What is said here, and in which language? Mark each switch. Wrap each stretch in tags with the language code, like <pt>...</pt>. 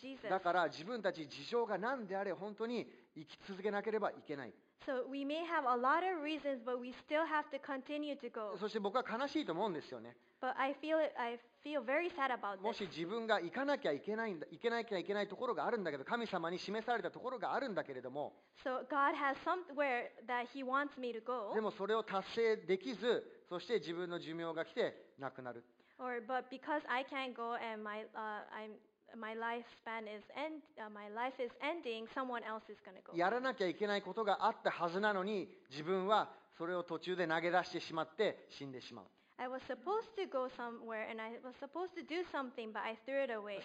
<ja>だから自分たち事情が何であれ本当に生き続けなければいけない。</ja> <en>So we may have a lot of reasons, but we still have to continue to go.</en> <ja>そして僕は悲しいと思うんですよね。</ja> <en>But I feel very sad about this.</en> <ja>もし自分が行かなきゃいけないんだ、行けなきゃいけないところがあるんだけど、神様に示されたところがあるんだけれども。</ja> <en>So God has somewhere that He wants me to go.</en> <ja>でもそれを達成できず、そして自分の寿命が来て亡くなる。</ja> <en>Or but because I can't go and my my life span is end my life is ending, someone else is going to go.</en> <ja>やらなきゃいけないことがあったはずなのに、自分はそれを途中で投げ出してしまって死んでしまう。</ja> <en>I was supposed to go somewhere and I was supposed to do something, but I threw it away.</en>